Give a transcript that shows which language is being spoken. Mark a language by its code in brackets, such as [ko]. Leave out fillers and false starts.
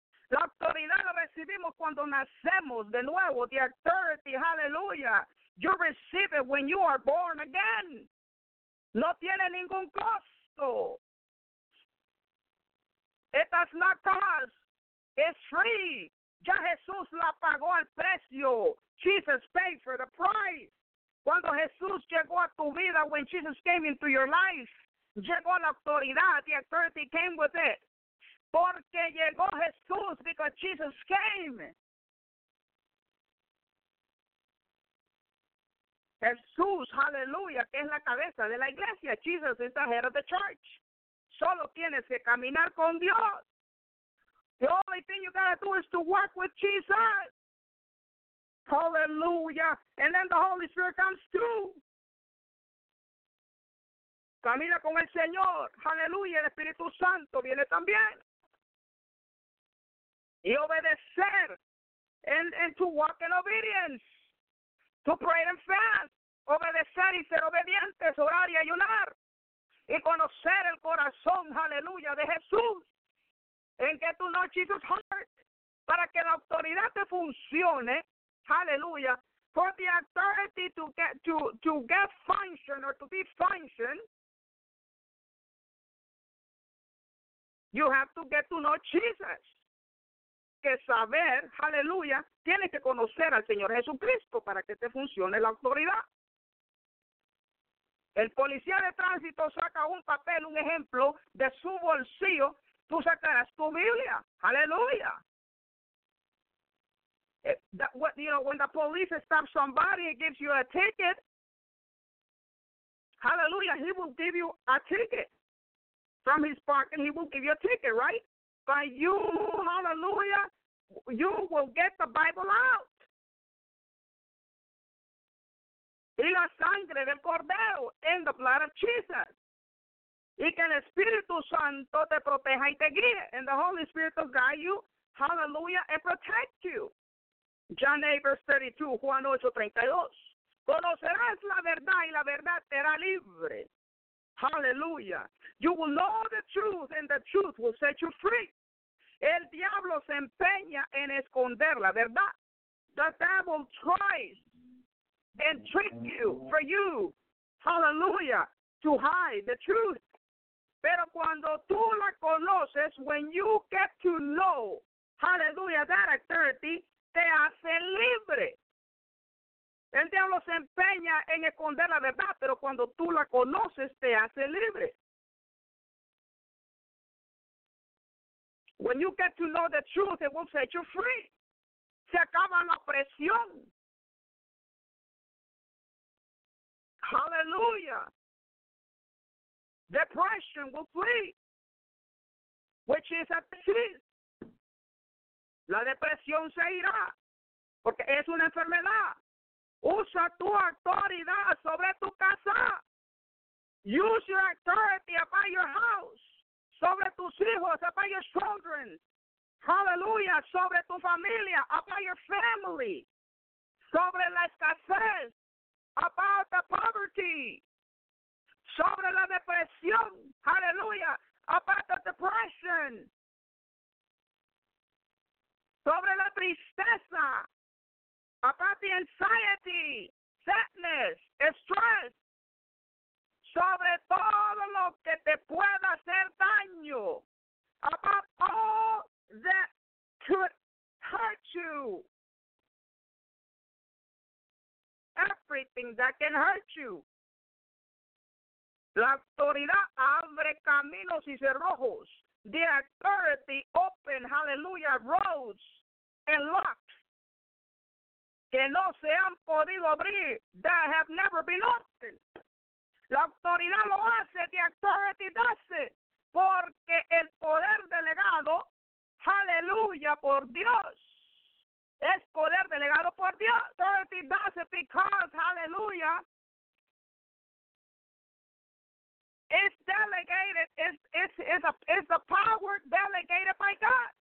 [es] La autoridad la recibimos cuando nacemos de nuevo. [en] The authority, hallelujah. You receive it when you are born again. [es] No tiene ningún costo. [en] It does not cost. It's free. [es] Ya Jesús la pagó al precio. [en] Jesus paid for the price. [es] Cuando Jesús llegó a tu vida, [en] when Jesus came into your life, [es] llegó la autoridad, [en] the authority came with it. [es] Porque llegó Jesús, [en] because Jesus came. [es] Jesús, hallelujah, que es la cabeza de la iglesia. [en] Jesus is the head of the church. [es] Solo tienes que caminar con Dios. [en] The only thing you gotta do is to walk with Jesus. Hallelujah. And then the Holy Spirit comes too. [es] Camina con el Señor. Hallelujah. El Espíritu Santo viene también. Y obedecer. [en] And to walk in obedience. To pray and fast. [es] Obedecer y ser obedientes. Orar y ayunar. Y conocer el corazón. Hallelujah. De Jesús. [en] And get to know Jesus' heart. [es] Para que la autoridad te funcione. [en] Hallelujah. For the authority to get function or to be function, You have to get to know Jesus. [es] Que saber, aleluya, tienes que conocer al Señor Jesucristo para que te funcione la autoridad. El policía de tránsito saca un papel, un ejemplo, de su bolsillo. Tú sacarás tu Biblia. Aleluya. [en] When the police stops somebody and gives you a ticket, hallelujah, he will give you a ticket from his parking. He will give you a ticket, right? But you, hallelujah, you will get the Bible out. [es] Y la sangre del Cordero, [en] in the blood of Jesus. [es] Y que el Espíritu Santo te proteja y te guíe. [en] And the Holy Spirit will guide you, hallelujah, and protect you. John 8, verse 32, Juan 8, 32. [es] Conocerás la verdad y la verdad te hará libre. Hallelujah. [en] You will know the truth and the truth will set you free. [es] El diablo se empeña en esconder la verdad. [en] The devil tries and tricks you for you. Hallelujah. To hide the truth. [es] Pero cuando tú la conoces, [en] when you get to know, hallelujah, that authority, [es] te hace libre. El diablo se empeña en esconder la verdad, pero cuando tú la conoces, te hace libre. [en] When you get to know the truth, it will set you free. [es] Se acaba la presión. [en] Hallelujah. Depression will flee, which is a disease. [es] La depresión se irá, porque es una enfermedad. Usa tu autoridad sobre tu casa. [en] Use your authority upon your house. [es] Sobre tus hijos, [en] upon your children. Hallelujah. [es] Sobre tu familia, [en] upon your family. [es] Sobre la escasez, [en] about the poverty. [es] Sobre la depresión, hallelujah, [en] about the depression. [es] Sobre la tristeza. [en] About the anxiety, sadness, stress, [es] sobre todo lo que te pueda hacer daño, [en] about all that could hurt you, everything that can hurt you. [es] La autoridad abre caminos y cerrojos. [en] The authority open, hallelujah, roads and locks. [es] Que no se han podido abrir, [en] that have never been opened. [es] La autoridad lo hace, [en] the authority does it, [es] porque el poder delegado, hallelujah, por Dios, es poder delegado por Dios. [en] Authority does it because, hallelujah, it's delegated, it's the power delegated by God.